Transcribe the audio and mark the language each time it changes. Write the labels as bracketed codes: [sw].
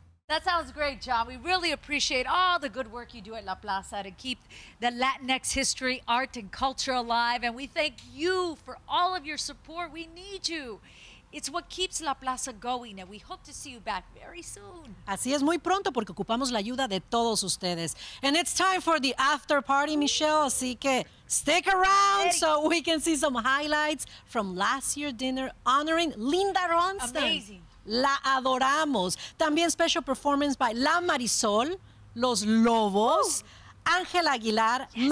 [en] That sounds great, John. We really appreciate all the good work you do at La Plaza to keep the Latinx history, art, and culture alive. And we thank you for all of your support. We need you. It's what keeps La Plaza going, and we hope to see you back very soon. [es] Así es, muy pronto, porque ocupamos la ayuda de todos ustedes. [en] And it's time for the after party, Michelle. [es] Así que [en] stick around so we can see some highlights from last year's dinner honoring Linda Ronstadt. Amazing. [es] La adoramos. También [en] special performance by La Marisoul, Los Lobos, Ángel Aguilar, yes.